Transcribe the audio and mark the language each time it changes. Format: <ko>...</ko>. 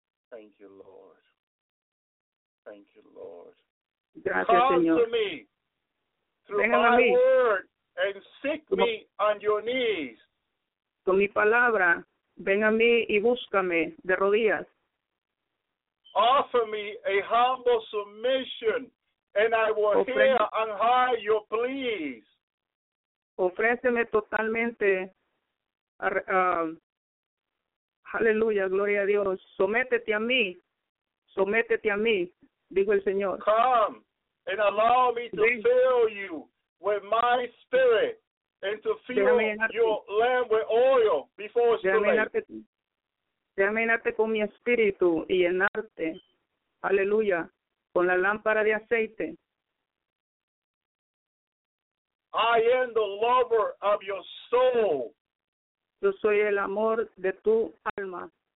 <en>Thank you, Lord. Thank you, Lord.</en> <es>Gracias, Señor.</es> <en>Come to me.</en> <es>Vengan</es> <en>my</en> <es>a mí.</es> <en>Word and seek me on your knees.</en> <es>Con mi palabra, ven a mí y búscame de rodillas.</es> <en>Offer me a humble submission and I will hear on high your pleas.</en> <es>Ofréceme totalmente. Aleluya, gloria a Dios. Sométete a mí. Sométete a mí, dijo el Señor.</es> <en>Come. And allow me to fill you with my spirit and to fill your lamp with oil before it's too late.</en> <es>Déjame llenarte con mi espíritu y llenarte, aleluya, con la lámpara de aceite.</es> <en>I am the lover of your soul.</en> <es>Yo soy el amor de tu alma.</es>